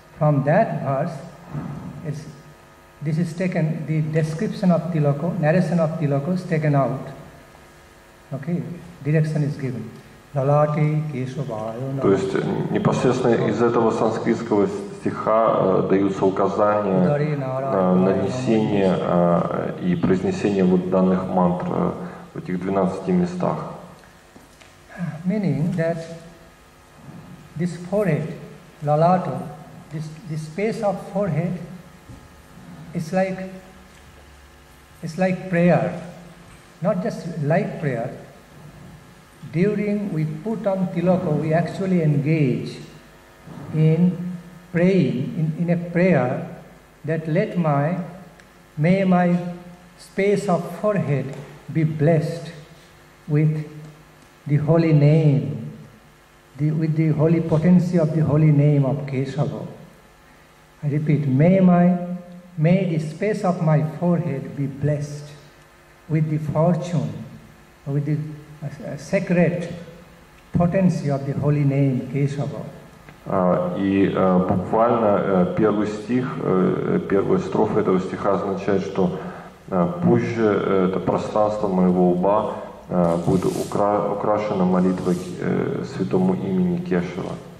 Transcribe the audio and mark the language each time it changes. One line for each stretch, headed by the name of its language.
English: From that verse, This is taken, the description of Tilaka, narration of Tilaka is taken out. Okay, direction is given. Lalati Keshavayana.
Russian: То есть непосредственно из этого санскритского стиха даются указания на нанесение и произнесение вот данных мантр в этих 12 местах.
English: Meaning that this forehead, Lalato, this space of forehead, It's like prayer, not just like prayer. During we put on Tilaka, we actually engage in praying, in a prayer that may my space of forehead be blessed with the holy name, with the holy potency of the holy name of Keshava. I repeat, May the space of my forehead be blessed with the fortune, with the sacred potency of the holy name Keshava.
Russian: И буквально первый стих, первая строфа этого стиха означает, что пусть же это пространство моего лба будет украшено молитвой святому имени Кешава.